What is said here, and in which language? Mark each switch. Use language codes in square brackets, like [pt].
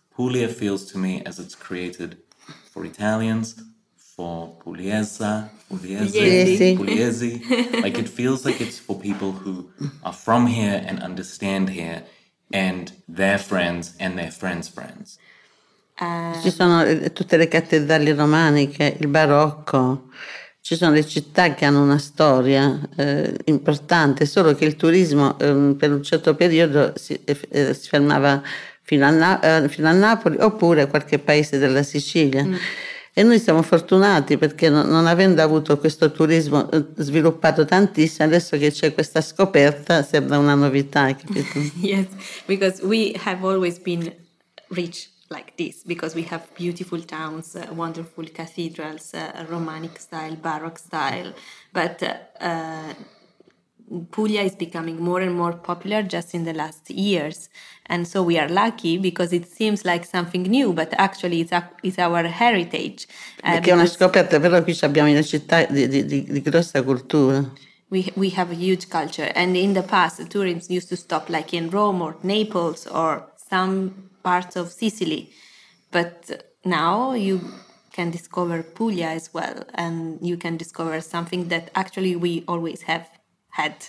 [en] Puglia feels to me as it's created for Italians, for Pugliese. Like, it feels like it's for people who are from here and understand here, and their friends and their friends' friends. [it] Ci sono tutte le cattedrali romaniche, il barocco. Ci sono le città che hanno una storia importante, solo che il turismo per un certo periodo si fermava fino a Napoli oppure qualche paese della Sicilia. E noi siamo fortunati perché non avendo avuto questo turismo sviluppato tantissimo, adesso che c'è questa scoperta sembra una novità, capito? [en] Yes, because we have always been rich like this, because we have beautiful towns, wonderful cathedrals, Romanic style, Baroque style, but Puglia is becoming more and more popular just in the last years. And so we are lucky because it seems like something new, but actually it's our heritage. [it] Perché è una scoperta, però qui abbiamo una città di grossa cultura. [en] We have a huge culture. And in the past, the tourists used to stop like in Rome or Naples or some parts of Sicily. But now you can discover Puglia as well. And you can discover something that actually we always have had.